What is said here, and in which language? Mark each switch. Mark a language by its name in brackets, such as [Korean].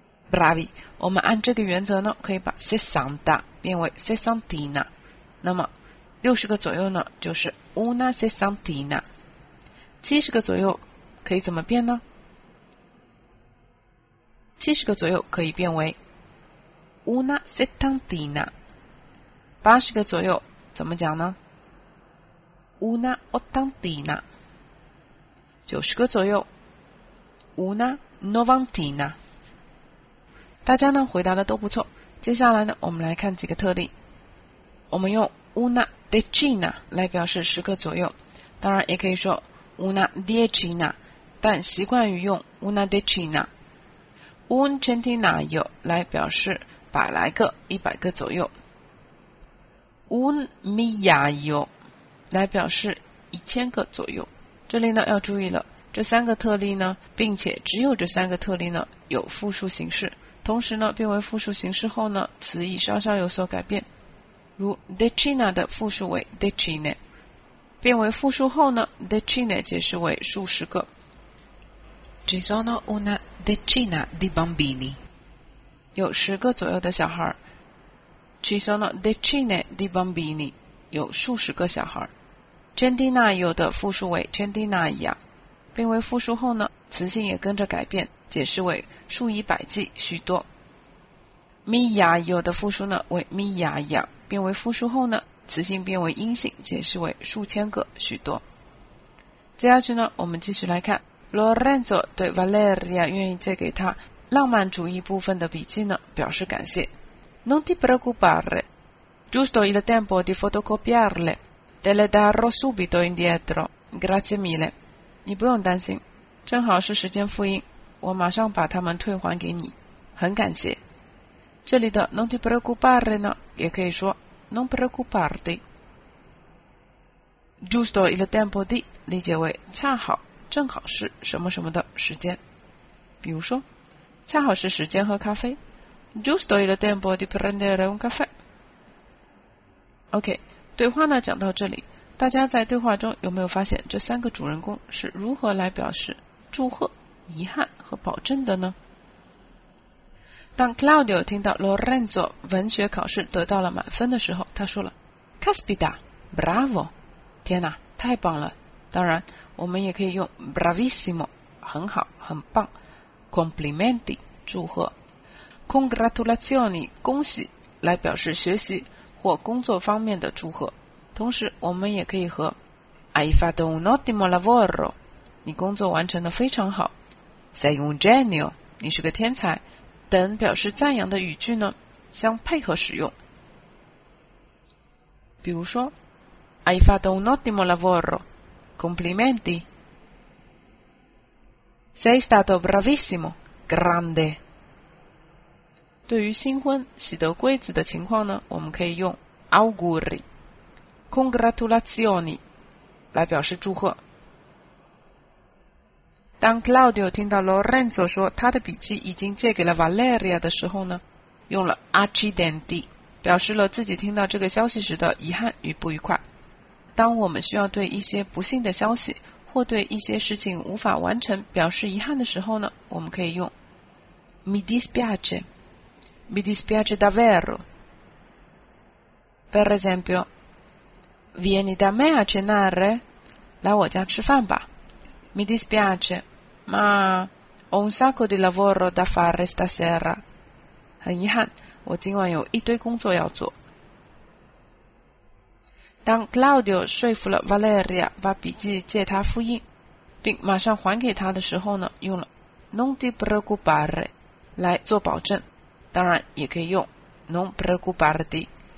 [Chinese] Bravi， 我们按这个原则呢可以把 sessanta变为 sessantina， 那么60个左右呢就是 una sessantina， 70个左右可以怎么变呢？ 70个左右可以变为 una settantina， 80个左右怎么讲呢？ una ottantina， 90个左右 una novantina。大家呢回答的都不错。接下来呢我们来看几个特例。我们用 una decina 来表示10个左右，当然也可以说 una decina， 但习惯于用 una decina。 un centinaio 来表示100来个、100个左右。 un migliaio 来表示1000个左右。这里呢要注意了，这三个特例呢并且只有这三个特例呢有复数形式，同时呢变为复数形式后呢词义稍稍有所改变，如 decina 的复数为 decine， 变为复数后呢 decine 解释为数十个。 c [Italian] ci sono una decina di bambini. [Chinese] 有十个左右的小孩。 [Italian] Ci sono decine di bambini. [Chinese] 有数十个小孩。 Centinaio 的复数为 centinaia。并为复数后呢，词性也跟着改变，解释为数以百计，许多。 Migliaio 的复数呢为 migliaia。变为复数后呢，词性变为阴性，解释为数千个，许多。接下去呢，我们继续来看 Lorenzo 对 Valeria 愿意借给他浪漫主义部分的笔记呢表示感谢。 [Italian] Non ti preoccupare, giusto il tempo di fotocopiarle, te le darò subito indietro, grazie mille. [Chinese] 你不用担心，正好是时间复印，我马上把它们退还给你，很感谢。这里的 Non ti preoccupare 呢也可以说 Non preoccuparti。 Giusto il tempo di, 理解为恰好正好是什么什么的时间。比如说恰好是时间喝咖啡。 [Italian] Giusto il tempo di prendere un caffè. [Chinese] OK, 对话呢讲到这里，大家在对话中有没有发现这三个主人公是如何来表示祝贺、遗憾和保证的呢？当 Claudio 听到 Lorenzo 文学考试得到了满分的时候，他说了 Caspita, bravo! 天哪，太棒了。当然我们也可以用 bravissimo, 很好很棒。 complimenti, 祝贺。congratulazioni, 恭喜来表示学习或工作方面的祝贺。同时我们也可以和 hai fatto un ottimo lavoro, 你工作完成得非常好。 sei un genio, 你是个天才等表示赞扬的语句呢相配合使用。比如说 Hai fatto un ottimo lavoro. [Italian] Complimenti. Sei stato bravissimo. Grande. [Chinese] 对于新婚喜得贵子的情况呢，我们可以用 auguri, congratulazioni 来表示祝贺。当 Claudio 听到 Lorenzo 说他的笔记已经借给了 Valeria 的时候呢，用了 accidenti 表示了自己听到这个消息时的遗憾与不愉快。当我们需要对一些不幸的消息或对一些事情无法完成表示遗憾的时候呢，我们可以用 Mi dispiace, mi dispiace davvero. [Italian] Per esempio, vieni da me a cenare? [Chinese] 来我家吃饭吧。 [Italian] Mi dispiace, ma ho un sacco di lavoro da fare stasera. [Chinese] 很遗憾，我今晚有一堆工作要做。当 Claudio 说服了 Valeria 把笔记借他复印并马上还给他的时候呢，用了 Non ti preoccupare 来做保证，当然也可以用 Non preoccuparti。